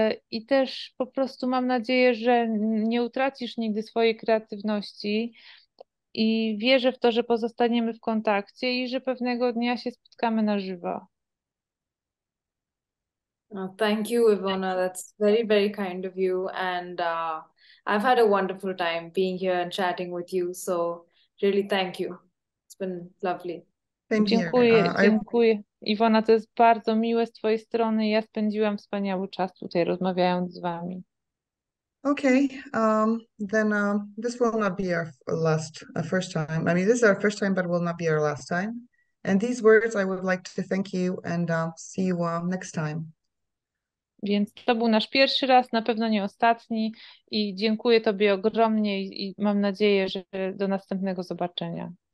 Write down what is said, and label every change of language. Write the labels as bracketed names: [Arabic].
[Polish] I też po prostu mam nadzieję, że nie utracisz nigdy swojej kreatywności. I wierzę w to, że pozostaniemy w kontakcie i że pewnego dnia się spotkamy na żywo. [English] Oh, thank you, Ivona. That's very, very kind of you. And I've had a wonderful time being here and chatting with you. So, really, thank you. It's been lovely. Same here. [Polish] Dziękuję, [English] I [Polish] dziękuję. Ivona, to jest bardzo miłe z Twojej strony. Ja spędziłam wspaniały czas tutaj rozmawiając z Wami. [English] Okay, then this will not be our last first time. I mean, this is our first time, but will not be our last time. And these words, I would like to thank you and see you next time. [Polish] Więc to był nasz pierwszy raz, na pewno nie ostatni i dziękuję Tobie ogromnie i mam nadzieję, że do następnego zobaczenia.